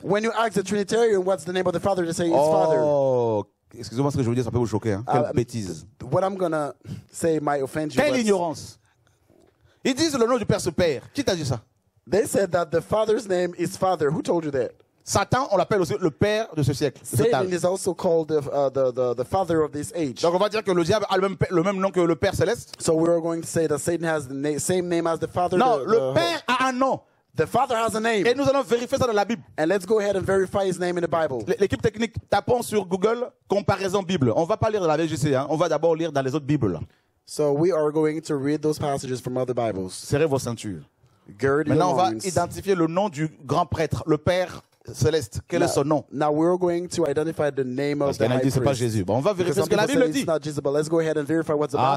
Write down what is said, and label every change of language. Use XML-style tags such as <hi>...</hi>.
<en>When you ask the Trinitarian what's the name of the father, they say it's father.</en> <fr>Oh, excusez-moi ce que je vous dis, ça peut vous choquer. Hein? Quelle bêtise.</fr> <en>What I'm gonna say might offend you.</en> <fr>Quelle ignorance. Ils disent le nom du père, ce père. Qui t'a dit ça?</fr> <en>They said that the father's name is father. Who told you that?</en> <fr>Satan, on l'appelle aussi le père de ce siècle.</fr> <en>Satan is also called the father of this age.</en> <fr>Donc on va dire que le diable a le même nom que le père céleste.</fr> <en>So we are going to say that Satan has the same name as the father.</en> <fr>Non, le père a un nom.</fr> <en>The father has a name.</en> <fr>Et nous allons vérifier ça dans la Bible.</fr> <en>And let's go ahead and verify his name in the Bible.</en> <fr>L'équipe technique, tapons sur Google comparaison Bible. On va pas lire dans la VGC, hein. On va d'abord lire dans les autres Bibles.</fr> <en>So we are going to read those passages from other Bibles.</en> <fr>Serrez vos ceintures.</fr> <en>Gird</en> <fr>maintenant, on va identifier le nom du grand prêtre, le père. Céleste, quel est son nom?</fr> <en>Now we're going to identify the name of the high priest.</en> <fr>Pas Jésus. Bon, on va vérifier ce que la Bible dit.</fr> <en>It's not Jesus, but let's go ahead and verify what the Bible</en>